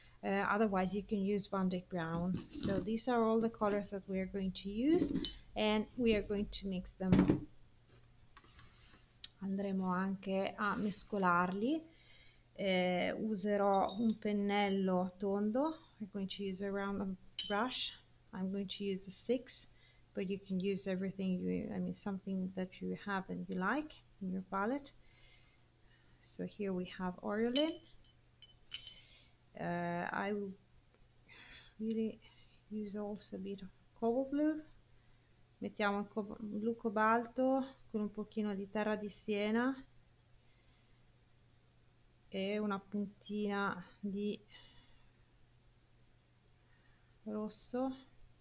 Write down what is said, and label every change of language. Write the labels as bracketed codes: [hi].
[en] Otherwise, you can use Van Dyck brown. So these are all the colors that we are going to use and we are going to mix them. [it] Andremo anche a mescolarli. Userò un pennello tondo. [en] I'm going to use a round brush. I'm going to use a six. But you can use everything I mean, something that you have and you like in your palette. So here we have aureoline. I will really use also a bit of cobalt blue. [it] Mettiamo il co blu cobalto con un pochino di terra di siena e una puntina di rosso.